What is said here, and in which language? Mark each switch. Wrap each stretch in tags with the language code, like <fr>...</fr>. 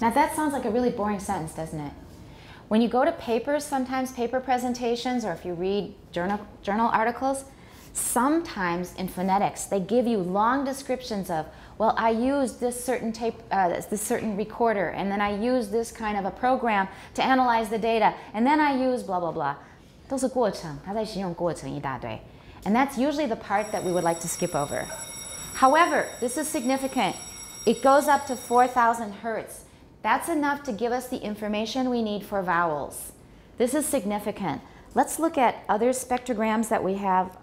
<en>Now that sounds like a really boring sentence, doesn't it? When you go to papers, sometimes paper presentations, or if you read journal articles, sometimes in phonetics, they give you long descriptions of, well, I use this certain tape, this certain recorder, and then I use this kind of a program to analyze the data, and then I use blah, blah, blah.</en> <zh>都是过程，他在形容过程一大堆。</zh> <en>And that's usually the part that we would like to skip over. However, this is significant. It goes up to 4,000 hertz. That's enough to give us the information we need for vowels. This is significant. Let's look at other spectrograms that we have.</en>